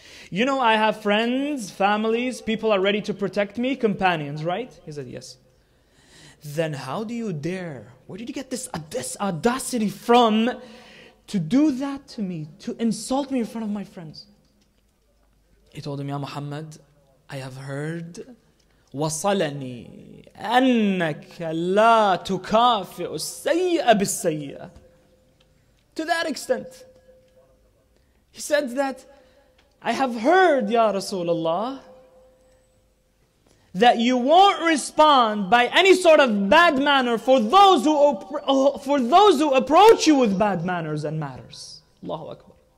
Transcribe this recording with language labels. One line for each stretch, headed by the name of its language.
English: You know I have friends, families, people are ready to protect me, companions, right? He said, yes. Then how do you dare? Where did you get this audacity from to do that to me, to insult me in front of my friends? He told him, ya Muhammad, I have heard
Arabic: وصلني أنك لا تكافئ السيئة بالسيئة.
English: To that extent, he said that I have heard, Ya Rasulullah, that you won't respond by any sort of bad manner for those who approach you with bad manners and matters. Allahu Akbar.